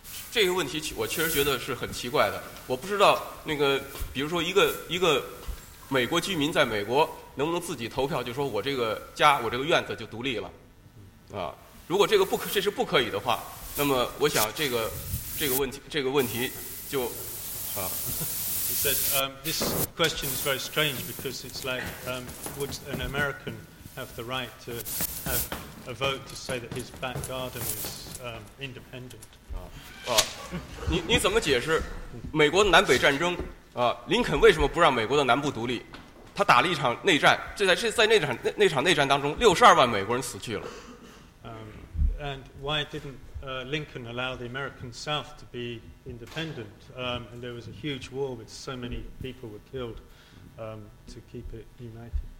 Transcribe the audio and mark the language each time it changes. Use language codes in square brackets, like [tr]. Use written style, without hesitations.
[zh] 这个问题我确实觉得是很奇怪的。我不知道那个比如说一个美国居民在美国能不能自己投票，就说我这个家我这个院子就独立了啊。如果这是不可以的话，那么我想这个问题就啊。 [en] He said, this question is very strange because it's like, would an American have the right to have a vote to say that his back garden is independent? [zh] 你怎么解释美国南北战争林肯为什么不让美国的南部独立？他打了一场内战，在那场内战当中，62万美国人死去了。 [en] And why didn't Lincoln allow the American South to be independent? And there was a huge war with so many people were killed to keep it united.